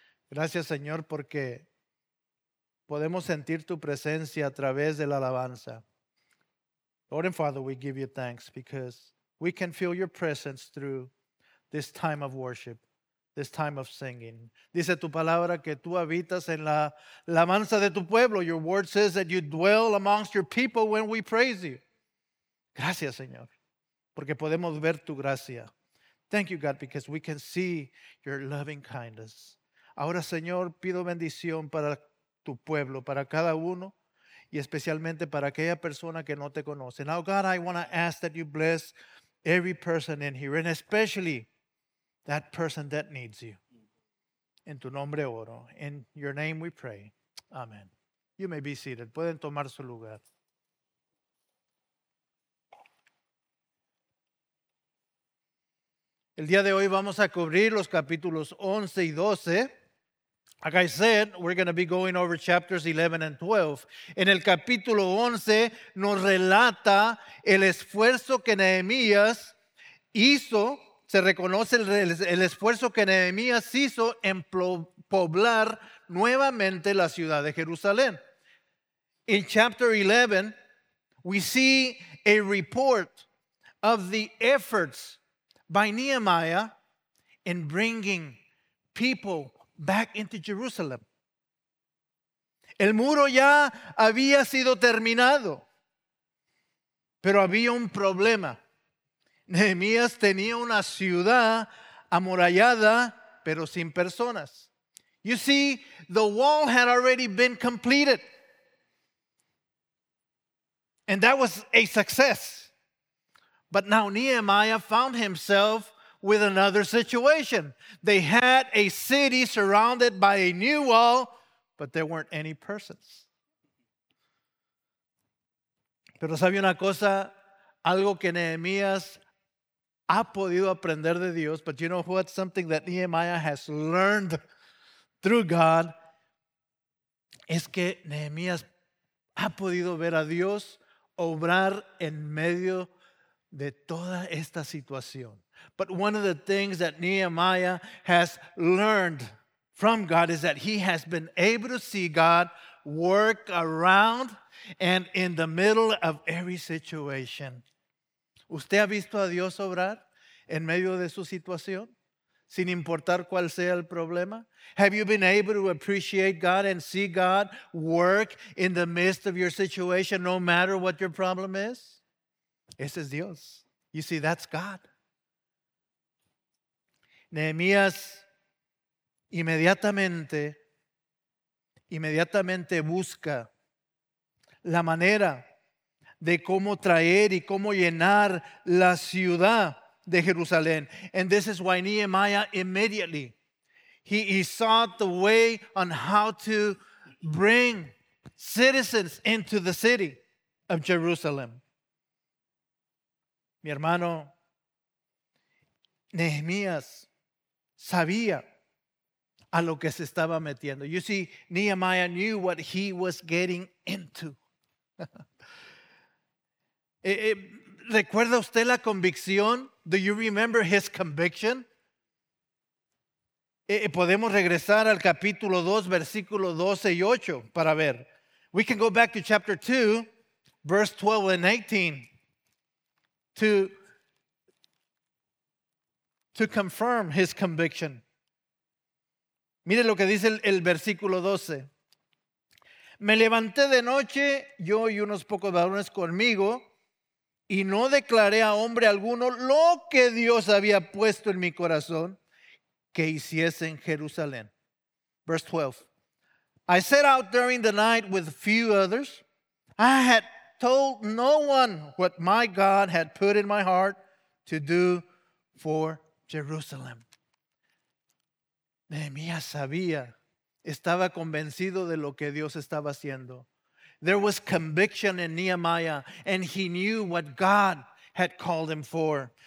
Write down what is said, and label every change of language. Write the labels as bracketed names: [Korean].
[Spanish] Gracias, Señor, porque podemos sentir tu presencia a través de la alabanza. [English] Lord and Father, we give you thanks because we can feel your presence through this time of worship, this time of singing. [Spanish] Dice tu palabra que tú habitas en la alabanza de tu pueblo. [English] Your word says that you dwell amongst your people when we praise you. [Spanish] Gracias, Señor, porque podemos ver tu gracia. [English] Thank you, God, because we can see your loving kindness. [Spanish] Ahora, Señor, pido bendición para tu pueblo, para cada uno, y especialmente para aquella persona que no te conoce. [English] Now, God, I want to ask that you bless every person in here, and especially that person that needs you. [Spanish] En tu nombre oro. [English] In your name we pray. Amen. You may be seated. [Spanish] Pueden tomar su lugar. El día de hoy vamos a cubrir los capítulos 11 y 12. [English] Like I said, we're going to be going over chapters 11 and 12. [Spanish] En el capítulo 11 nos relata el esfuerzo que Nehemías hizo, se reconoce el esfuerzo que Nehemías hizo en poblar nuevamente la ciudad de Jerusalén. [English] In chapter 11, we see a report of the efforts by Nehemiah in bringing people back into Jerusalem. [Spanish] El muro ya había sido terminado, pero había un problema. Nehemías tenía una ciudad amurallada, pero sin personas. [English] You see, the wall had already been completed, and that was a success. But now Nehemiah found himself with another situation. They had a city surrounded by a new wall, but there weren't any persons. [Spanish] Pero sabe una cosa, algo que Nehemías ha podido aprender de Dios, [English] but you know what? Something that Nehemiah has learned through God [Spanish] es que Nehemías ha podido ver a Dios obrar en medio de toda esta situación. [English] But one of the things that Nehemiah has learned from God is that he has been able to see God work around and in the middle of every situation. [Spanish] ¿Usted ha visto a Dios obrar en medio de su situación? Sin importar cuál sea el problema. [English] Have you been able to appreciate God and see God work in the midst of your situation no matter what your problem is? [Spanish] Ese es Dios. [English] You see, that's God. [Spanish] Nehemías inmediatamente busca la manera de cómo traer y cómo llenar la ciudad de Jerusalén. [English] And this is why Nehemiah immediately, he sought the way on how to bring citizens into the city of Jerusalem. [Spanish] Mi hermano, Nehemías sabía a lo que se estaba metiendo. [English] You see, Nehemiah knew what he was getting into. [Spanish] ¿Recuerda usted la convicción? [English] Do you remember his conviction? [Spanish] Podemos regresar al capítulo 2, versículo 12 y 8 para ver. [English] We can go back to chapter 2, verse 12 and 18. To confirm his conviction. [Spanish] Mire lo que dice el versículo 12. Me levanté de noche, yo y unos pocos varones conmigo, y no declaré a hombre alguno lo que Dios había puesto en mi corazón que hiciese en Jerusalén. [English] Verse 12. I set out during the night with a few others. I had told no one what my God had put in my heart to do for Jerusalem. [Spanish] Nehemiah sabía, estaba convencido de lo que Dios estaba haciendo. [English] There was conviction in Nehemiah, and he knew what God had called him for.